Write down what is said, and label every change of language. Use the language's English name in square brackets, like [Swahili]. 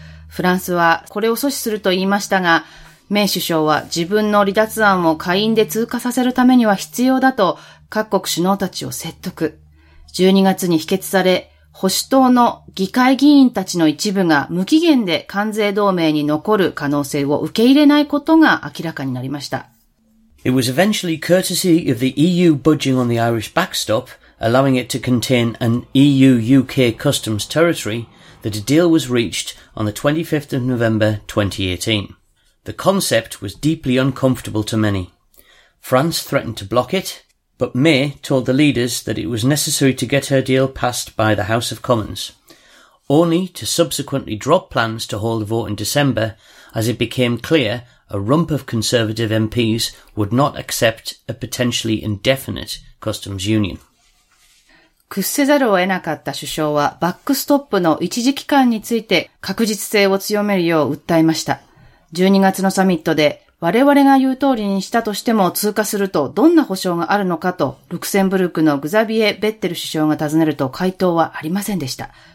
[Japanese] フランスはこれを阻止すると言いましたが、メイ首相は自分の離脱案を下院で通過させるためには必要だと各国首脳たちを説得。 12月に否決され、保守党の議会議員たちの一部が無期限で関税同盟に残る可能性を受け入れないことが明らかになりました。 [English] It was eventually courtesy of the EU budging on the Irish backstop, allowing it to contain an EU-UK customs territory, that a deal was reached on the 25th of November 2018. The concept was deeply uncomfortable to many. France threatened to block it,But May told the leaders that it was necessary to get her deal passed by the House of Commons, only to subsequently drop plans to hold a vote in December, as it became clear a rump of Conservative MPs would not accept a potentially indefinite customs union. [Japanese] 屈せざるを得なかった首相はバックストップの一時期間について確実性を強めるよう訴えました。 12月のサミットで我々が言う通りにしたとしても通過するとどんな保証があるのかとルクセンブルクのグザビエ・ベッテル首相が尋ねると回答はありませんでした。